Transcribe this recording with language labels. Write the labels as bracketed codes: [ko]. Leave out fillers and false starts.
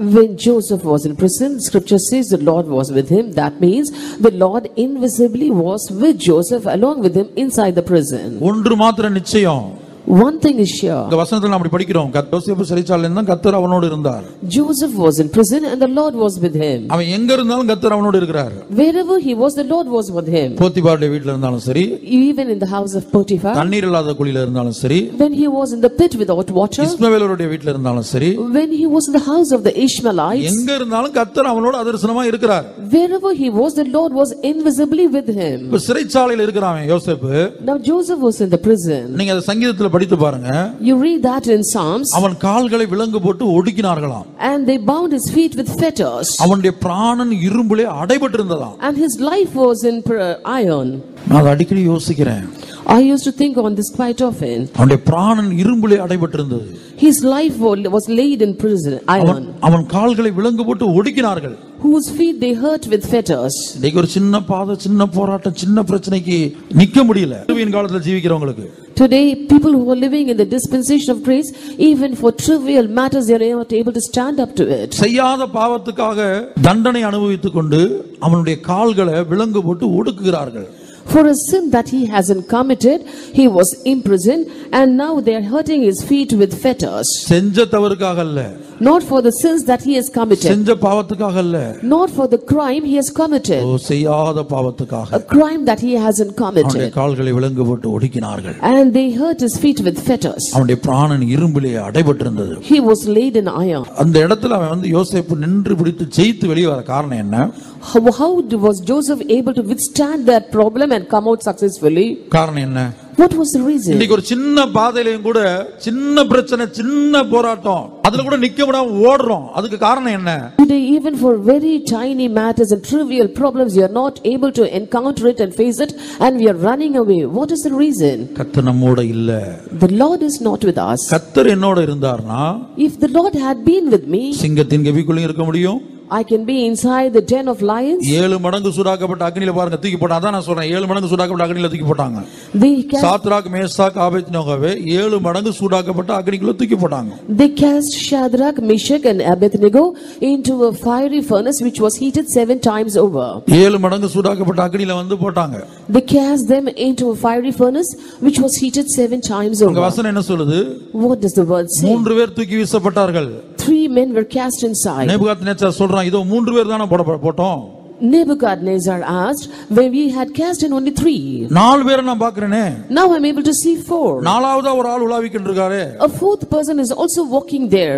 [en] When Joseph was in prison, scripture says the Lord was with him. That means the Lord invisibly was with Joseph along with him inside the prison. [ta] ஒன்று மாத்திரம் நிச்சயம், [en] One thing is sure. [ta] இந்த வசனத்துல நாம் இப்படி படிக்கிறோம். யோசேப்பு சிறைச்சாலையில இருந்தா கர்த்தர் அவனோடு இருந்தார். [en] Joseph was in prison and the Lord was with him. [ta] அவன் எங்க இருந்தாலும் கர்த்தர் அவனோடு இருக்கிறார். [en] Wherever he was the Lord was with him. [ta] போத்திபாருடைய வீட்ல இருந்தாலும் சரி. [en] Even in the house of Potiphar. [ta] தண்ணீர் இல்லாத குழியில இருந்தாலும் சரி. [en] When he was in the pit without water. [ta] இஸ்மவேலருடைய வீட்ல இருந்தாலும் சரி. [en] When he was in the house of the Ishmaelites. [ta] எங்க இருந்தாலும் கர்த்தர் அவனோடு அதர்சனமா இருக்கிறார். [en] Wherever he was the Lord was invisibly with him. [ta] சிறைச்சாலையில இருக்கிறான் யோசேப்பு. [en] Now Joseph was in the prison. [ta] நீங்க அந்த சங்கீத படித்து பாருங்க. [en] You read that in Psalms. [ta] அவன் கால்களை விலங்கு போட்டு ஒடுக்கினார்களாம். [en] And they bound his feet with fetters. [ta] அவனுடைய பிராணன் இரும்பிலே அடைபட்டிருந்ததாம். [en] And his life was in iron. [ta] நான் அடிக்கடி யோசிக்கிறேன். [en] I used to think on this quite often. [ta] அவனுடைய பிராணன் இரும்பிலே அடைபட்டிருந்தது. [en] His life was laid in prison iron. [ta] அவன் கால்களை விலங்கு போட்டு ஒடுக்கினார்கள். [en] Whose feet they hurt with fetters. [ta] நீங்க ஒரு சின்ன பாதம் சின்ன போராட்டம் சின்ன பிரச்சனைக்கு நிக்க முடியல. இந்த காலத்துல ஜீவிக்கிறவங்களுக்கு. [en] Today people who are living in the dispensation of grace, even for trivial matters, they are not able to stand up to it. [ta] செய்யாத பாவத்துக்காக தண்டனை அனுபவித்துக் கொண்டு அவனுடைய கால்களை விலங்கு போட்டு ஒடுக்குகிறார்கள். [en] For a sin that he hasn't committed, he was imprisoned, and now they are hurting his feet with fetters. [ta] செஞ்சத் தவறுக்காகல்ல. [en] Not for the sins that he has committed. [ta] செஞ்ச பாவத்துக்காகல்ல. [en] Not for the crime he has committed. [ta] ஓ செய்யாத பாவத்துக்காக. [en] A crime that he hasn't committed. [ta] அவருடைய கால்களை விலங்கு போட்டு ஒடுக்கினார்கள். [en] And they hurt his feet with fetters. [ta] அவருடைய பிராணன் இரும்பிலே அடைபட்டிருந்தது. [en] He was laid in iron. [ta] அந்த இடத்துல அவன் வந்து யோசேப்பு நின்று பிடித்து ஜெயித்து வெளியே வர காரணம் என்ன? [en] How was Joseph able to withstand that problem and come out successfully? [ta] காரணம் என்ன? [en] What was the reason? [ta] இன்னைக்கு ஒரு சின்ன பாதையிலயும் கூட சின்ன பிரச்சனை சின்ன போராட்டம் அதுல கூட நிக்க முடியாம ஓடுறோம். அதுக்கு காரணம் என்ன? [en] Today even for very tiny matters and trivial problems you are not able to encounter it and face it and we are running away. What is the reason? [ta] கர்த்தர் நம்மோட இல்ல. [en] The Lord is not with us. [ta] கர்த்தர் என்னோட இருந்தார்னா [en] If the Lord had been with me [ta] சிங்கத்தின் கவிக்குள்ள இருக்க முடியும். [en] I can be inside the den of lions. [ta] ஏழு மடங்கு சூடாக்கப்பட்ட அக்னியில பாருங்க தூக்கி போட்டாங்க. அதான் நான் சொல்றேன், ஏழு மடங்கு சூடாக்கப்பட்ட அக்னியில தூக்கி போட்டாங்க. [en] They cast Shadrach, Meshach, Abednego [ta] ஏழு மடங்கு சூடாக்கப்பட்ட அக்னிக்குள்ள தூக்கி போட்டாங்க. [en] They cast Shadrach, Meshach and Abednego into a fiery furnace which was heated 7 times over. [ta] ஏழு மடங்கு சூடாக்கப்பட்ட அக்னியில வந்து போட்டாங்க. [en] They cast them into a fiery furnace which was heated 7 times over. [ta] இந்த வசனம் என்ன சொல்லுது? [en] What does the word say? [ta] மூன்று பேர் தூக்கி வீசப்பட்டார்கள். [en] 3 men were cast inside. [ta] Nebuchadnezzar சொல்றான், இதோ மூன்று பேர் தான போட்டோம். [en] Nebuchadnezzar asked, when we had cast in only 3. [ta] நால் பேர் நான் பார்க்கறனே. [en] Now I'm able to see 4. [ta] நானாவதா ஒரு ஆள் உலாவிக்கிட்டிருக்காரே. [en] A fourth person is also walking there.